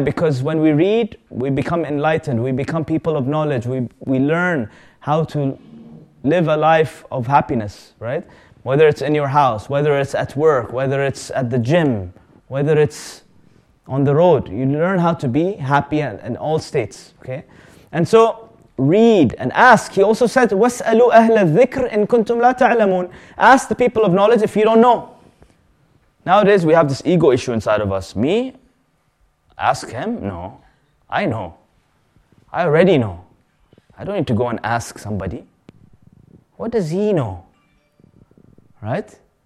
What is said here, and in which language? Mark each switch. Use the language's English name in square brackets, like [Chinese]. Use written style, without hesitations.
[English] Because when we read, we become enlightened, we become people of knowledge, we learn how to live a life of happiness, right? Whether it's in your house, whether it's at work, whether it's at the gym, whether it's on the road, you learn how to be happy in all states, okay? And so, read and ask. He also said, [Arabic] وَاسْأَلُوا أَهْلَ الذِّكْرِ إِن كُنْتُمْ لَا تَعْلَمُونَ. [English] Ask the people of knowledge if you don't know. Nowadays, we have this ego issue inside of us. Me? Ask him? No. I know. I already know. I don't need to go and ask somebody. What does he know? Right?